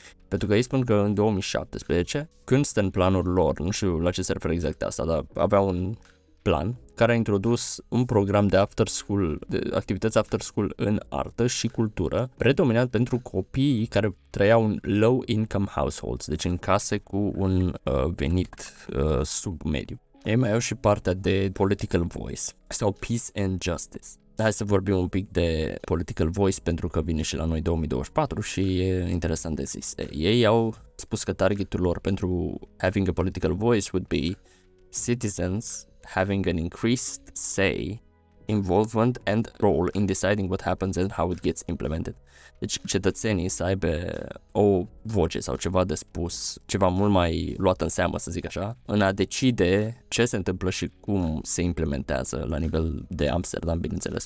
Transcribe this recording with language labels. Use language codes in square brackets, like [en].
[ro] Pentru că ei spun că în 2017, când stă în planul lor, nu știu la ce se referă exact asta, dar avea un plan care a introdus un program de after school, de activități after school în artă și cultură, predominant pentru copiii care trăiau în low income households, deci în case cu un venit sub mediu. Ei mai au și partea de political voice sau peace and justice. Hai să vorbim un pic de political voice pentru că vine și la noi 2024 și e interesant de zis. Ei au spus că targetul lor pentru [en] having a political voice would be citizens having an increased say, involvement and role in deciding what happens and how it gets implemented. [ro] Deci cetățenii să aibă o voce sau ceva de spus, ceva mult mai luat în seamă, să zic așa, în a decide ce se întâmplă și cum se implementează la nivel de Amsterdam, bineînțeles.